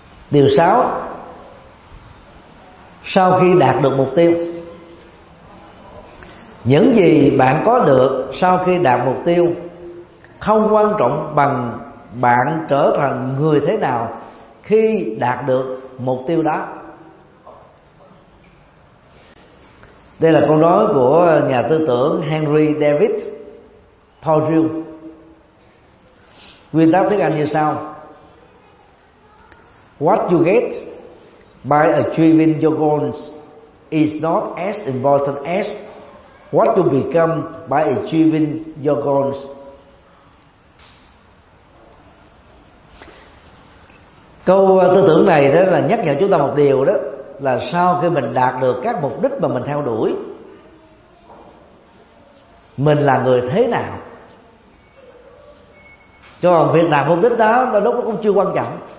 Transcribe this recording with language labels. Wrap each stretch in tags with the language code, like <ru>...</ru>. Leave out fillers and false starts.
<vi>Điều 6, sau khi đạt được mục tiêu, những gì bạn có được sau khi đạt mục tiêu không quan trọng bằng bạn trở thành người thế nào khi đạt được mục tiêu đó. Đây là câu nói của nhà tư tưởng Henry David Thoreau. Nguyên tắc tiếng Anh như sau:</vi> <en>What you get by achieving your goals is not as important as what you become by achieving your goals.</en> <vi>Câu tư tưởng này đó là nhắc nhở chúng ta một điều, đó là sau khi mình đạt được các mục đích mà mình theo đuổi, mình là người thế nào. Cho nên việc đạt mục đích đó nó lúc cũng chưa quan trọng.</vi>